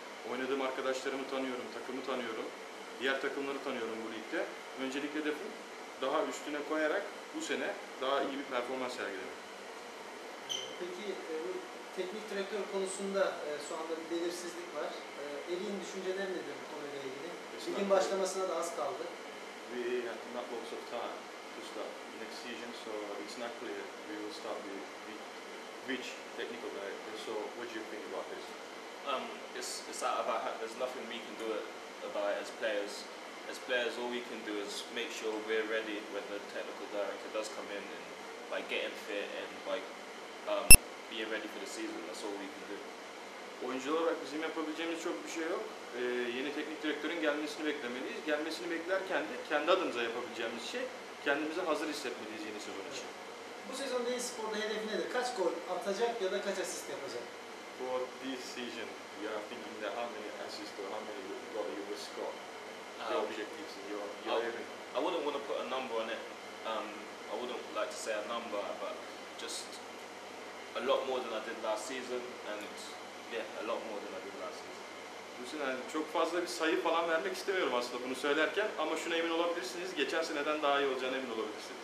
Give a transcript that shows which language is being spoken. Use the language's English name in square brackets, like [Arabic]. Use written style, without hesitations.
[Turkish] Oynadığım arkadaşlarımı tanıyorum, takımı tanıyorum. Diğer takımları tanıyorum bu ligde. Öncelikle de bu daha üstüne koyarak bu sene daha iyi bir performans sergiledim. Peki teknik direktör konusunda şu anda bir belirsizlik var. Elin düşünceler nedir bu konuyla ilgili? Ligin başlamasına da az kaldı. [English] We have not lots of time to start next season, so it's not clear we will start with which technical director. So what do you think about this? It's out of our hands. There's nothing we can do about it as players. As players, all we can do is make sure we're ready when the technical director does come in, and by getting fit and by being ready for the season, that's all we can do. [Turkish] Oyuncular olarak bizim yapabileceğimiz çok bir şey yok. Yeni teknik direktörün gelmesini beklemeliyiz. Gelmesini beklerken de kendi adımıza yapabileceğimiz şey kendimizi hazır hissetmeliyiz yeni sezon için. Bu sezon Deniz Spor'da hedef nedir? Kaç gol atacak ya da kaç asist yapacak? [English] For this season, you are thinking that how many assists or how many goals you will score. Your objectives and your aim. I wouldn't want to put a number on it. I wouldn't like to say a number, but just a lot more than I did last season and yeah, a lot more than I did last season. [Turkish] Hüseyin, yani çok fazla bir sayı falan vermek istemiyorum aslında bunu söylerken ama şuna emin olabilirsiniz, geçen seneden daha iyi olacağına emin olabilirsiniz.